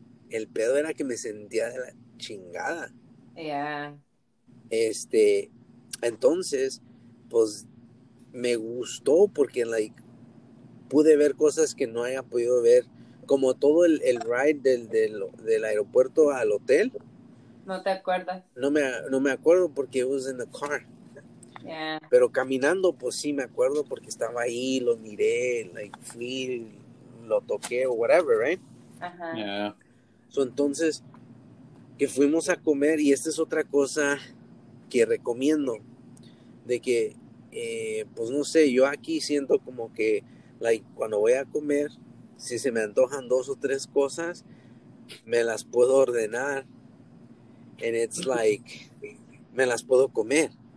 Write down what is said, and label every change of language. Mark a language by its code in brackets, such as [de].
[es] El pedo era que me sentía de la chingada. [en] Yeah. [es] Entonces, pues, me gustó porque, [en] like, [es] pude ver cosas que no había podido ver. Como todo el ride del aeropuerto al hotel. No te acuerdas. No me acuerdo porque [en] it was in the car. Yeah. [es] Pero caminando, pues sí, me acuerdo porque estaba ahí, lo miré, [en] like, [es] fui, lo toqué o [en] whatever, right? Uh-huh. Yeah. So, [es] entonces, que fuimos a comer, y esta es otra cosa que recomiendo, de que, pues no sé, yo aquí siento como que, like, cuando voy a comer, si se me antojan dos o tres cosas, me las puedo ordenar, [en] and it's like, [es] me las puedo comer.